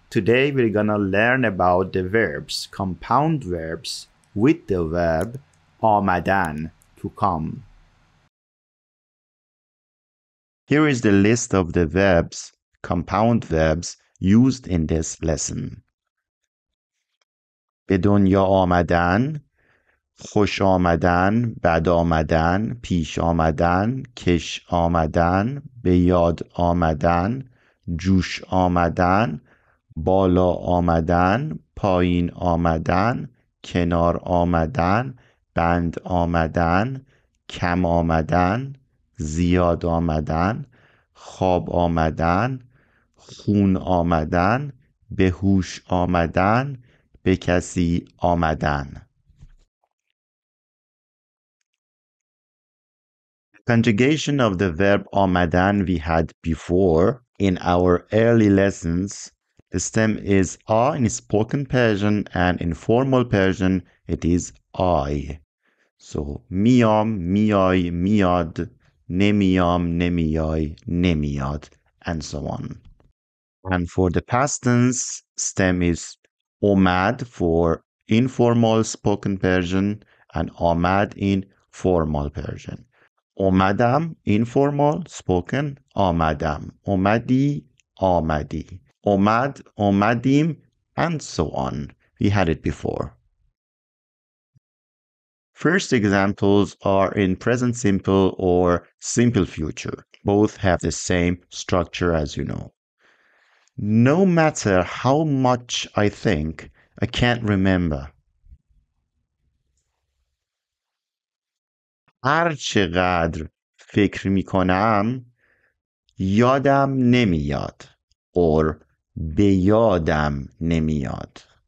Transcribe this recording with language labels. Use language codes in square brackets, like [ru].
[en] Today we're gonna learn about the verbs, compound verbs with the verb آمدن, to come. Here is the list of the verbs, compound verbs, used in this lesson. [fa] به دنیا آمدن، خوش آمدن، بد آمدن، پیش آمدن، کش آمدن، به یاد آمدن، جوش آمدن، بالا آمدن، پایین آمدن، کنار آمدن، بند آمدن، کم آمدن، زیاد آمدن، خواب آمدن، خون آمدن، به هوش آمدن، به کسی آمدن. [en] Conjugation of the verb آمدن we had before in our early lessons. The stem is A in spoken Persian and in formal Persian it is I. So [fa] میام، میای، میاد، نمیام، نمیای، نمیاد [en] and so on. And for the past tense, stem is اومد for informal spoken Persian and آمد in formal Persian. [fa] اومدم [en] informal spoken [fa] آمدم. اومدی آمدی. اومد اومدیم [en] and so on. We had it before. First examples are in present simple or simple future. Both have the same structure as you know. No matter how much I think, I can't remember. [fa] هر چقدر فکر می کنم یادم نمیاد or به یادم نمیاد.